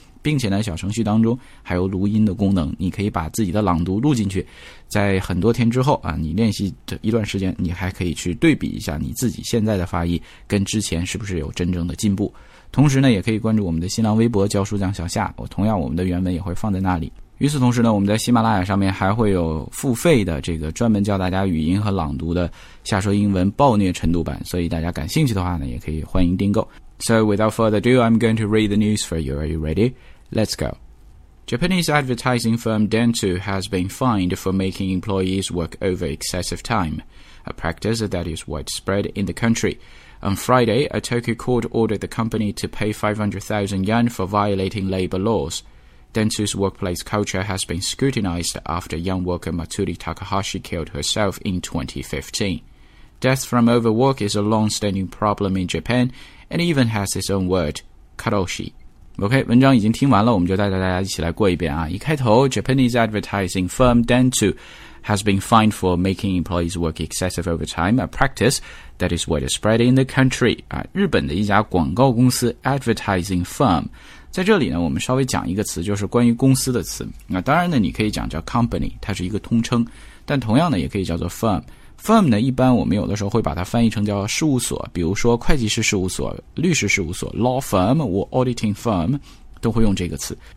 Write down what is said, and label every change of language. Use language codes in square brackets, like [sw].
[zh] 并且呢，小程序当中还有录音的功能，你可以把自己的朗读录进去，在很多天之后啊，你练习这一段时间，你还可以去对比一下你自己现在的发音跟之前是不是有真正的进步。同时呢，也可以关注我们的新浪微博教书匠小夏，我同样我们的原文也会放在那里。与此同时呢，我们在喜马拉雅上面还会有付费的这个专门教大家语音和朗读的瞎说英文暴虐晨读版，所以大家感兴趣的话呢，也可以欢迎订购。 [en] So without further ado, I'm going to read the news for you. Are you ready? Let's go. Japanese advertising firm Dentsu has been fined for making employees work over excessive time, a practice that is widespread in the country. On Friday, a Tokyo court ordered the company to pay 500,000 yen for violating labor laws. Dentsu's workplace culture has been scrutinized after young worker Matsuri Takahashi killed herself in 2015. Death from overwork is a long-standing problem in Japan and even has its own word, karoshi. [zh] OK, 文章已经听完了，我们就带着大家一起来过一遍啊。一开头 [en] ,Japanese advertising firm Dentsu has been fined for making employees work excessive overtime, a practice that is widespread in the country. [zh] 啊，日本的一家广告公司 [en] advertising firm。 [zh] 在这里呢，我们稍微讲一个词，就是关于公司的词。那当然呢，你可以讲叫 company, 它是一个通称。但同样呢，也可以叫做 firm。 firm 呢，一般我们有的时候会把它翻译成叫事务所，比如说会计师事务所、律师事务所 [en] law firm [zh] 或 [en] auditing firm [zh] 都会用这个词。